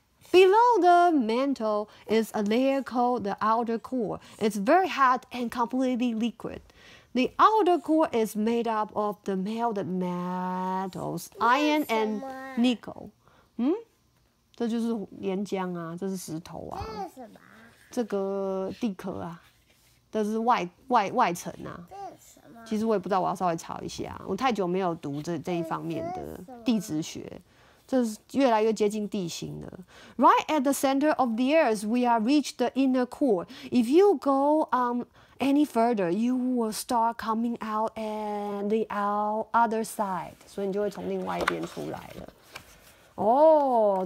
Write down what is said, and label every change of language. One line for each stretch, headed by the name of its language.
English: Below the mantle is a layer called the outer core. It's very hot and completely liquid. The outer core is made up of the melted metals, iron and nickel.
Chinese: 这就是岩浆啊，这是石头啊。这是什么？这个地壳啊，这是外层啊。其实我也不知道，我要稍微查一下。我太久没有读这一方面的地质学，这是越来越接近地心了。
English: Right at the center of the earth, we are reached the inner core. If you go any further, you will start coming out at the other side.
Chinese: 所以你就会从另外一边出来了。